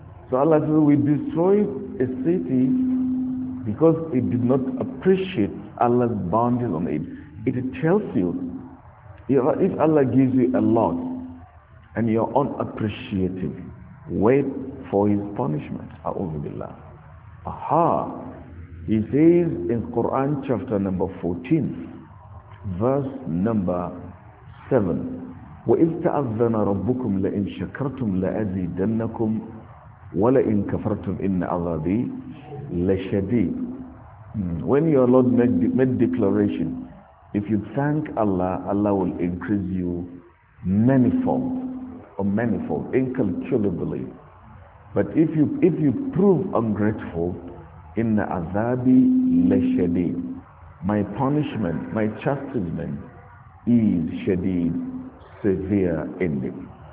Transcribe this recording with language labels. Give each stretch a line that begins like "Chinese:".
English: So Allah says, we destroyed a city because it did not appreciate Allah's bounties on it. It tells you, if Allah gives you a lot and you're unappreciative, wait for His punishment.
Arabic: A'udhu Billah. Aha! He says in Quran chapter number 14, verse number 7, وَإِذْ تَأَذَّنَ رَبُّكُمْ لَإِنْ شَكَرْتُمْ لَأَزِيدَنَّكُمْ وَلَإِنْ كَفَرْتُمْ إِنَّ عَذَابِي لَشَدِيدٌ.
English: When your Lord made declaration, if you thank Allah, Allah will increase you manifold, incalculably. But if you prove ungrateful,
Arabic: إِنَّ عَذَابِي لَشَدِيدٌ,
English: my punishment, my chastisement is shadeed, severe ending.